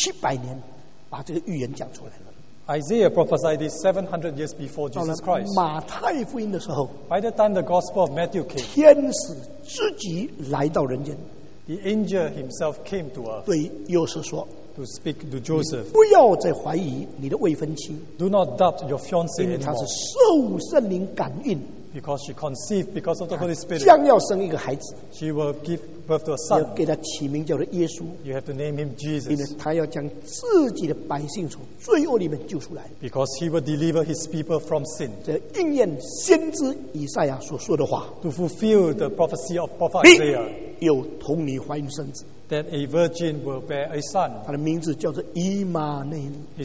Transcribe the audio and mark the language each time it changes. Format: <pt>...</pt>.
<zh>所以以赛亚在耶稣以前700年把这个预言讲出来了。</zh> <en>Isaiah prophesied this 700 years before Jesus Christ.</en> <zh>马太福音的时候,</zh> <en>by the time the Gospel of Matthew came,</en> <zh>天使自己来到人间,</zh> <en>the angel himself came to earth,</en> <zh>对耶稣说,</zh> <en>to speak to Joseph,</en> <zh>你不要再怀疑你的未婚妻,</zh> <en>do not doubt your fiancé anymore,</en> <zh>因为她是受圣灵感孕。</zh> <en>Because she conceived because of the Holy Spirit.</en> <zh>将要生一个孩子,</zh> <en>she will give birth to a son.</en> <zh>要给他起名叫做耶稣,</zh> <en>you have to name him Jesus.</en> <zh>因为他要将自己的百姓从罪恶里面救出来,</zh> <en>because he will deliver his people from sin.</en> <zh>这应验先知以赛亚所说的话,</zh> <en>to fulfill the prophecy of prophet Isaiah.</en> <zh>必有童女怀孕生子,</zh> <en>that a virgin will bear a son.</en> <zh>他的名字叫做以马内利,</zh>